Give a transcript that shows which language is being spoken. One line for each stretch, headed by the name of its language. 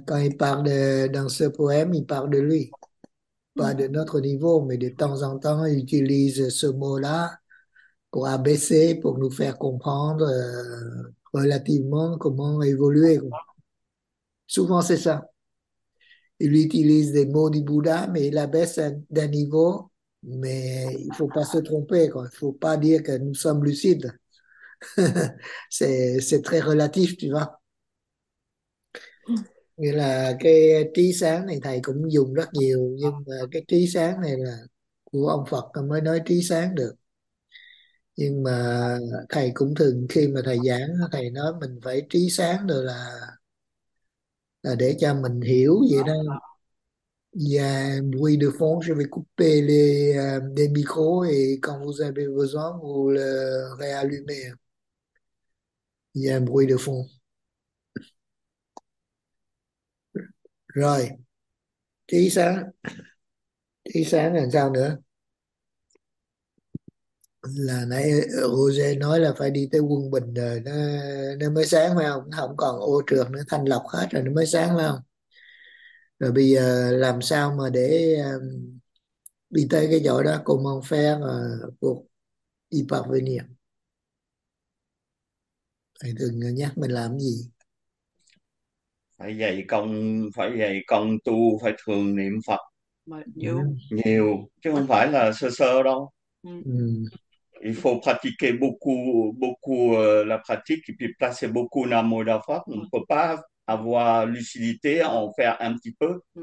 French: Quand il parle dans ce poème, il parle de lui. Pas de notre niveau, mais de temps en temps, il utilise ce mot-là pour abaisser, pour nous faire comprendre relativement comment évoluer. Souvent, c'est ça. Il utilise des mots du Bouddha, mais il abaisse d'un niveau. Mais il ne faut pas se tromper, quoi. Il ne faut pas dire que nous sommes lucides. C'est très relatif, tu vois.
Vietnamese: Nghĩa là cái trí sáng này thầy cũng dùng rất nhiều, nhưng mà cái trí sáng này là của ông Phật mới nói trí sáng được. Nhưng mà thầy cũng thường khi mà thầy giảng, thầy nói mình phải trí sáng được là để cho mình hiểu vậy đó.
French: Yeah, bruit de fond, je vais couper les micros et quand vous avez besoin, vous le réallumez. Il y a un bruit de fond.
Vietnamese: Rồi, trí sáng. Trí sáng là sao nữa? Là nãy Roger nói là phải đi tới quân bình rồi, nó mới sáng phải không? Nó không còn ô trược nữa, thanh lọc hết rồi nó mới sáng phải không? Rồi bây giờ làm sao mà để đi tới cái chỗ đó,
French: comment faire pour y parvenir?
Vietnamese: Thầy thường nhắc mình làm gì? Phải dày công tu, phải thường niệm Phật Mà nhiều nhiều chứ không phải là sơ sơ đâu.
French: Il faut pratiquer beaucoup beaucoup la pratique et puis placer beaucoup dans le mode Phật. On ne peut pas avoir lucidité en faire un petit peu.